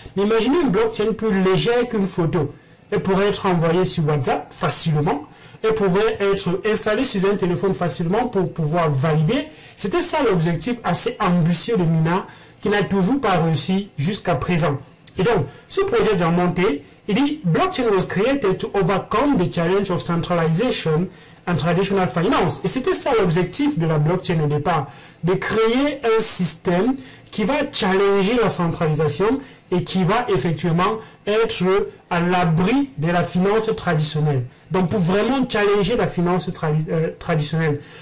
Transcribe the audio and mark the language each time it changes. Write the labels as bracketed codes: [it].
[fr] Mais imaginez une blockchain plus légère qu'une photo. Elle pourrait être envoyée sur WhatsApp facilement. Elle pouvait être installée sur un téléphone facilement pour pouvoir valider. C'était ça l'objectif assez ambitieux de Mina, qui n'a toujours pas réussi jusqu'à présent. Et donc, ce projet vient monter. Il dit [en] « Blockchain was created to overcome the challenge of centralization and traditional finance ». [fr] Et c'était ça l'objectif de la blockchain au départ, de créer un système qui va challenger la centralisation et qui va effectivement être à l'abri de la finance traditionnelle. Donc, pour vraiment challenger la finance traditionnelle.